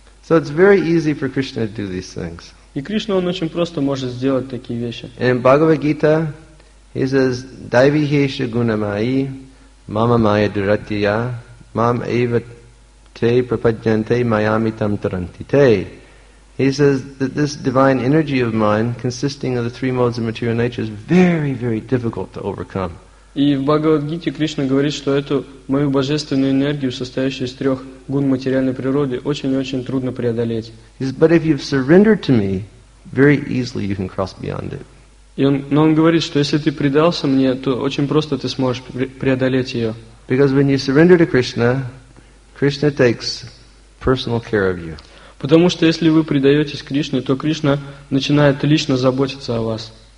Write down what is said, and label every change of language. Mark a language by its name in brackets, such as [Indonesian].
[English] So it's very easy for Krishna to do these things. [Russian] И Кришна, он очень просто может сделать такие вещи. [English] In Bhagavad Gita, he says, [Sanskrit] "Daivihesha gunamai, mama maya duratiya, mam eva te prapadyante mayamitam tarantite." [English] He says that this divine energy of mine, consisting of the three modes of material nature, is very, very difficult to overcome. [Russian] И в Бхагавад-гите Кришна говорит, что эту мою божественную энергию, состоящую из трех гун материальной природы, очень и очень трудно преодолеть. [English] But if you've surrendered to me, very easily you can cross beyond it. [Russian] Но он говорит, что если ты предался мне, то очень просто ты сможешь преодолеть ее. [English] Because when you surrender to Krishna, Krishna takes personal care of you. [Russian] Потому что если вы предаетесь Кришне, то Кришна начинает лично заботиться о вас.